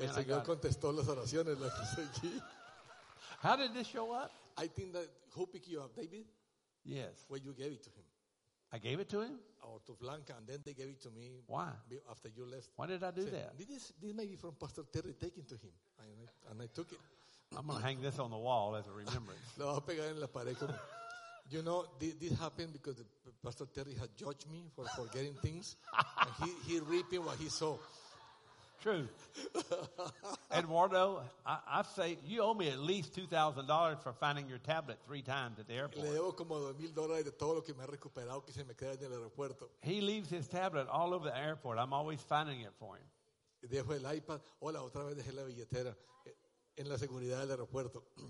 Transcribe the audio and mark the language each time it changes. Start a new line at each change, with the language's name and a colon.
Spanish: El Señor contestó las oraciones, las que seguí.
English: How did this show up? I think that who picked you up, David? Yes. Well, you gave it to him. I gave it to him? Or to Blanca, and then they gave it to me. Why? After you left. Why did I do that? This may be from Pastor Terry taken to him, and I took it. I'm going to hang this on the wall as a remembrance.
Spanish: Lo voy a pegar en la pared como...
English: You know, this happened because Pastor Terry had judged me for forgetting things. And he reaping what he saw. True. Eduardo, I say you owe me at least $2,000 for finding your tablet 3 times at the airport.
Spanish: Le debo como $2,000 de todo lo que me ha recuperado que se me queda en el aeropuerto.
English: He leaves his tablet all over the airport. I'm always finding it for him.
Spanish: Dejo el iPad. Hola, otra vez dejé la billetera en la seguridad del aeropuerto.